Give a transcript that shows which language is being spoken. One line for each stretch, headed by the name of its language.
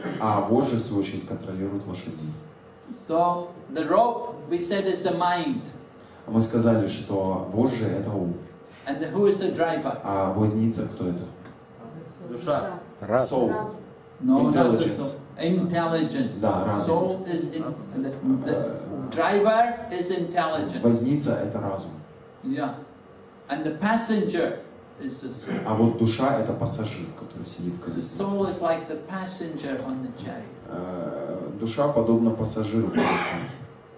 Russian: А вожжи, в свою очередь, контролируют лошадей.
English: So, the rope, we said, is a mind.
Russian: Мы сказали, что вожжи — это ум.
English: And who is the driver?
Russian: А возница кто это? Душа. Разум.
English: Soul. No, intelligence. Intelligence.
Russian: Да, разум.
English: Soul is in, the driver is intelligence.
Russian: Возница — это разум.
English: Yeah. And the passenger is the soul.
Russian: А вот душа — это пассажир, который сидит в колеснице.
English: The soul is like the passenger on the chariot.
Russian: Душа подобна пассажиру в колеснице.